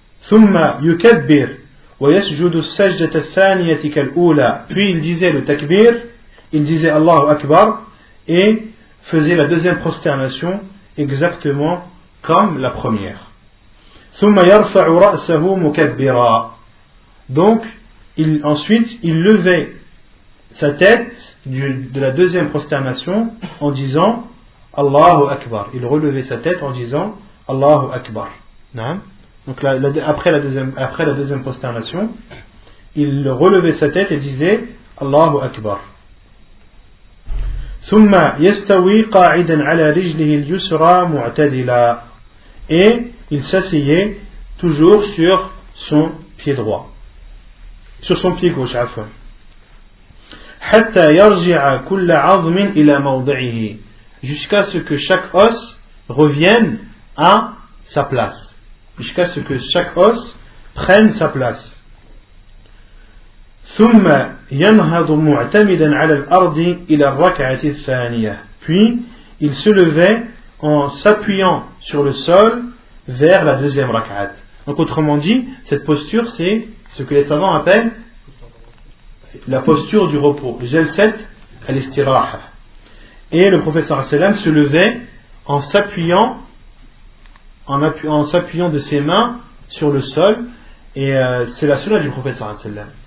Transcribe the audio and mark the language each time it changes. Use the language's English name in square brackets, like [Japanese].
[Arabic] ثم يكبر ويسجد السجدة الثانية كالأولى. [French] Puis il disait le takbir, il disait Allahu Akbar et faisait la deuxième prosternation exactement comme la première. [Arabic] ثم يرفع رأسه مكبرا. [French] Donc ensuite il levait sa tête de la deuxième prosternation en disant Allahu Akbar. Il relevait sa tête en disant Allahu Akbar. نعم. Donc après la deuxième prosternation, il relevait sa tête et disait Allahu Akbar. [Arabic] ثم يستوي قاعدا على رجله اليسرى معتدلا. [French] Et il s'asseyait toujours sur son pied droit. Sur son pied gauche, afin. [Arabic] حتى يرجع كل عظم الى موضعه. [French] Jusqu'à ce que chaque os revienne à sa place. Jusqu'à ce que chaque os prenne sa place. [Arabic] ثم ينهض معتمدا على الأرض إلى الركعة الثانية. [French] Puis il se levait en s'appuyant sur le sol vers la deuxième rak'at. Donc autrement dit, cette posture c'est ce que les savants appellent la posture du repos, جلسات الاستراحة. Et le professeur Asselam se levait en s'appuyant en s'appuyant de ses mains sur le sol et c'est la sunna du professeur Asselam.